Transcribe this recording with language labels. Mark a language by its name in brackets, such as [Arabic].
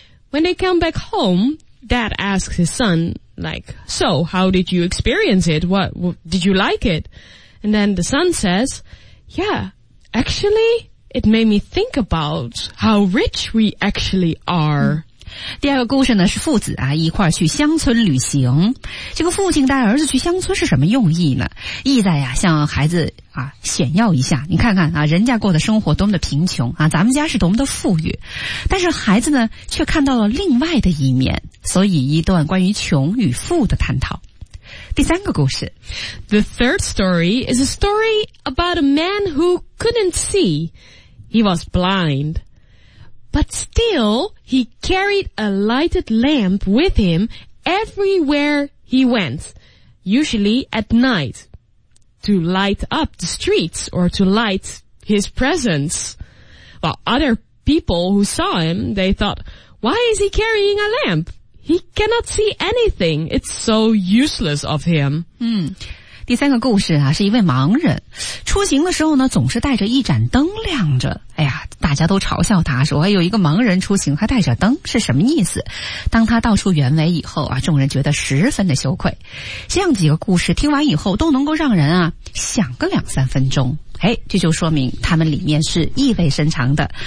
[English] When they come back home, dad asks his son, like, so, how did you experience it? What did you like it? And then the son says, yeah, actually, it made me think about how rich we actually are. [Chinese] 第二个故事呢，是父子啊一块去乡村旅行。这个父亲带儿子去乡村是什么用意呢？意在啊向孩子啊炫耀一下，你看看啊人家过的生活多么的贫穷啊，咱们家是多么的富裕。但是孩子呢却看到了另外的一面，所以一段关于穷与富的探讨。第三个故事。 [English] The third story is a story about a man who couldn't see. He was blind. But still, he carried a lighted lamp with him everywhere he went, usually at night, to light up the streets or to light his presence. Well, other people who saw him, they thought, why is he carrying a lamp? He cannot see anything. It's so useless of him. [Chinese] 第三个故事啊，是一位盲人出行的时候呢，总是带着一盏灯亮着。哎呀，大家都嘲笑他说，有一个盲人出行还带着灯是什么意思。当他道出原委以后啊，众人觉得十分的羞愧。这样几个故事听完以后都能够让人啊想个两三分钟，哎，这就说明他们里面是意味深长的。